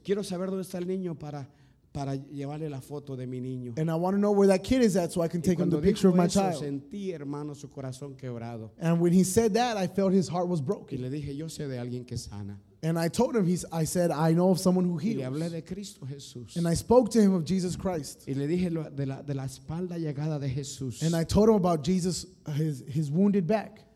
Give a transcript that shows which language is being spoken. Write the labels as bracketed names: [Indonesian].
[Spanish] Quiero saber dónde está el niño para llevarle la foto de mi niño. [English] And I want to know where that kid is at so I can take him the picture [Spanish] eso, [English] of my child. [Spanish] Sentí, hermano, su corazón quebrado. [English] And when he said that, I felt his heart was broken. [Spanish] Y le dije, yo sé de alguien que sana. [English] And I told him, I said, I know of someone who heals. [Spanish] Y le hablé de Cristo Jesús. [English] And I spoke to him of Jesus Christ. [Spanish] Y le dije de la espalda llegada de Jesús. [English] And I told him about Jesus, his wounded back.